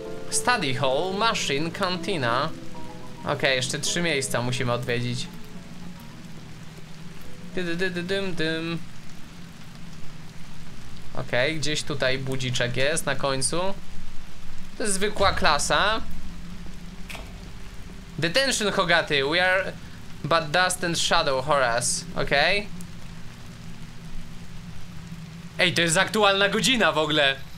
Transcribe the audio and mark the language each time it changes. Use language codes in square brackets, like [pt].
[pl] Study hall, machine, kantina. Okej, jeszcze trzy miejsca musimy odwiedzić. Tym. Okej, gdzieś tutaj budziczek jest na końcu. To jest zwykła klasa. [en] Detention Hogaty, we are but dust and shadow Horace. [pl] Okej. Ej, to jest aktualna godzina w ogóle.